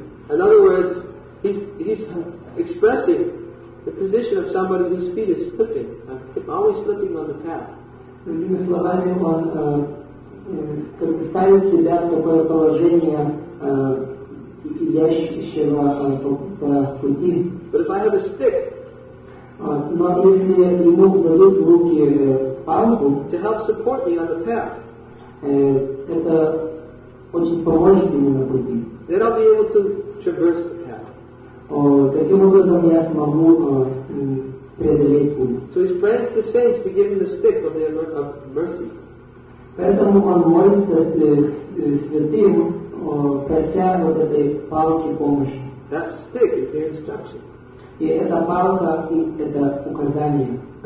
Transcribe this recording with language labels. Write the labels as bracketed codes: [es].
[en] In other words, he's expressing the position of somebody whose feet are slipping. I'm always slipping on the path. [ru] Другими словами, он ставит себя в такое положение идящего по пути. Но если ему дадут в руки палку, это очень поможет ему на пути. [en] Then I'll be able to traverse the path. [ru] Таким образом я смогу преодолеть путь. [en] So he's praying to the saints to give him the stick of their of mercy. [ru] Поэтому он молится святым, прося вот этой палки помощи. [en] That stick is their instruction. [ru] И эта палка и это указание.